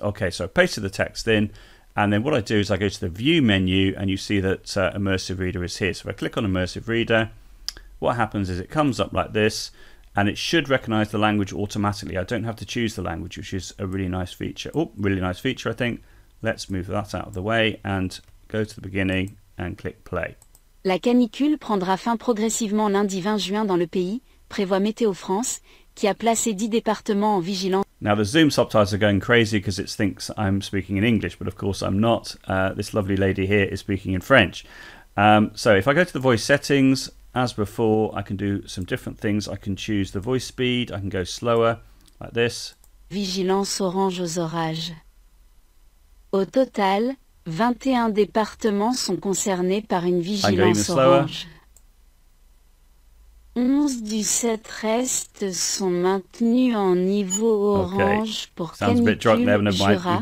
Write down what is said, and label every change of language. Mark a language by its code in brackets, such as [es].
[en] Okay, so I pasted the text in, and then what I do is I go to the View menu, and you see that Immersive Reader is here. So if I click on Immersive Reader, what happens is it comes up like this, and it should recognize the language automatically. I don't have to choose the language, which is a really nice feature. Oh, really nice feature, I think. Let's move that out of the way and go to the beginning and click play. [fr] La canicule prendra fin progressivement lundi 20 juin dans le pays, prévoit Météo France, qui a placé 10 départements en vigilance. [en] Now the Zoom subtitles are going crazy because it thinks I'm speaking in English, but of course I'm not. This lovely lady here is speaking in French. So if I go to the voice settings, as before, I can do some different things. I can choose the voice speed, I can go slower, like this. [fr] Vigilance orange aux orages. Au total, 21 départements sont concernés par une vigilance orange. 11 du 7 restes sont maintenus en niveau orange pour canicule Jura.